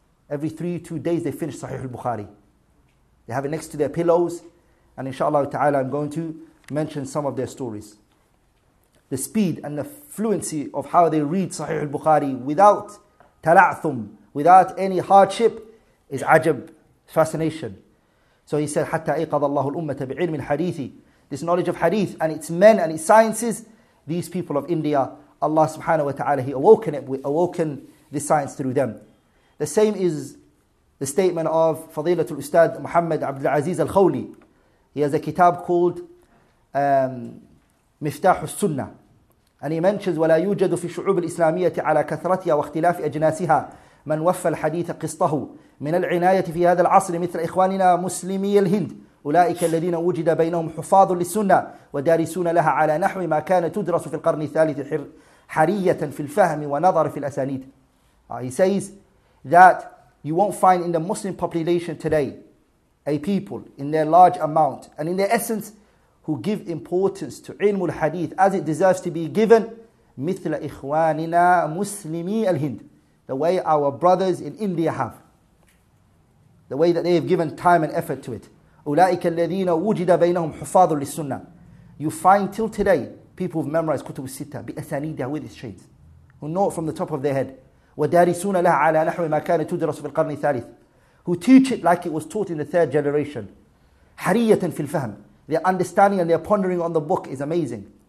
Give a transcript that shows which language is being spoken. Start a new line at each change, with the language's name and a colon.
English: Every 3 or 2 days they finish Sahih al-Bukhari. They have it next to their pillows. And inshallah ta'ala, I'm going to mention some of their stories. The speed and the fluency of how they read Sahih al-Bukhari without tala'thum, without any hardship, is ajab, fascination. So he said,
Arabic: حَتَّى أَيْقَضَ اللَّهُ الْأُمَّةَ بِعِلْمِ الْحَدِيثِ.
English: This knowledge of hadith and its men and its sciences, these people of India, Allah subhanahu wa ta'ala, He awoken this science through them. The same is the statement of Fadilatul Ustad Muhammad Abdul Aziz Al-Khawli. He has a kitab called Miftah Al-Sunnah. And he mentions,
Arabic: وَلَا يُوجَدُ فِي شُعُوبِ الْإِسْلَامِيَةِ عَلَى كَثْرَتِهَا وَاخْتِلَافِ أَجْنَاسِهَا مَنْ وَفَّى الْحَدِيثَ قِصْطَهُ مِنَ الْعِنَايَةِ فِي هَذَا الْعَصْرِ مِثْلَ إِخْوَانِنَا مُسْلِمِي الْهِنْدِ أولئك الذين وجد بينهم حفاظ للسنة ودارسون لها على نحو ما كان تدرس في القرن الثالث حرية في الفهم ونظر في الأسانيد.
English: He says that you won't find in the Muslim population today a people in their large amount and in their essence who give importance to علم الحديث as it deserves to be given
Arabic: مثل إخواننا مسلمي الهند,
English: the way our brothers in India have, the way that they have given time and effort to it.
Arabic: أولئك الذين وجد بينهم حفاظ للسنة.
English: You find till today people who've memorized
Arabic: كتب الستة بأسانيدها
English: with its chains, who know it from the top of their head.
Arabic: ودارسون لها على نحو ما كان تدرس في القرن الثالث,
English: who teach it like it was taught in the third generation.
Arabic: حرية في الفهم,
English: their understanding and their pondering on the book is amazing.